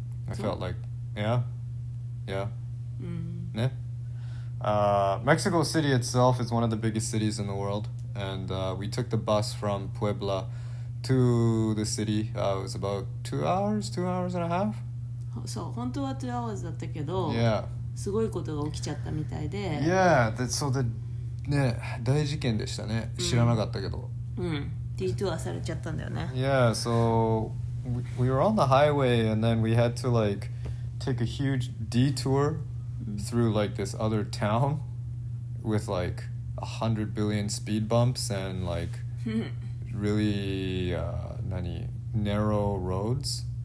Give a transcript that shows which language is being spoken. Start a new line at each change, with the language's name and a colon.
English: I felt like, yeah. Yeah.、ね Mexico City itself is one of the biggest cities in the world. And、we took the bus from Puebla. to the city、it was about two hours and a half
Japanese: そう本当は
English: 2 hours
Japanese: だったけど、
English: yeah.
Japanese: すごいことが起きちゃったみたいで
English: yeah that, so the,
Japanese: ね大事件でしたね、うん、知らなかったけどうんディトゥアされちゃったんだよね
English: yeah so we were on the highway and then we had to like take a huge detour through like this other town with like 100 billion speed bumps and like really narrow roads、